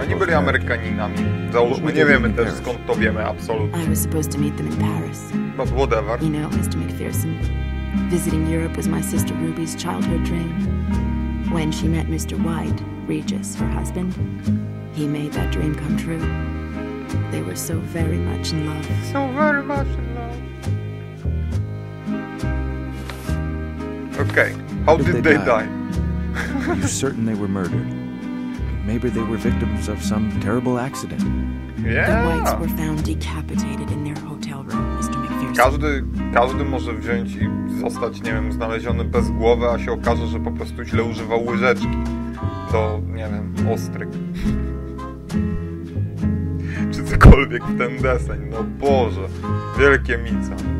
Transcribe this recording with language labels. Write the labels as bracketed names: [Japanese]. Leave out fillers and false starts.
[Polish] Oni byli Amerykaninami. Załóżmy, nie wiemy też skąd to wiemy, absolutnie. [English] I was supposed to meet them in Paris. But whatever. You know, Mr. McPherson, visiting Europe was my sister Ruby's childhood dream. When she met Mr. White, Regis, her husband, he made that dream come true. They were so very much in love. So very much in love. Okay. How did they die? Are you certain they were murdered? Maybe they were victims of some terrible accident. Yeah. The Whites were found decapitated in their hotel room, Mr. McPherson. [Polish] Każdy może wziąć i zostać, nie wiem, znaleziony bez głowy, a się okaże, że po prostu źle używał łyżeczki. To, nie wiem, ostryk. Cokolwiek w ten deseń, no Boże, wielkie mica.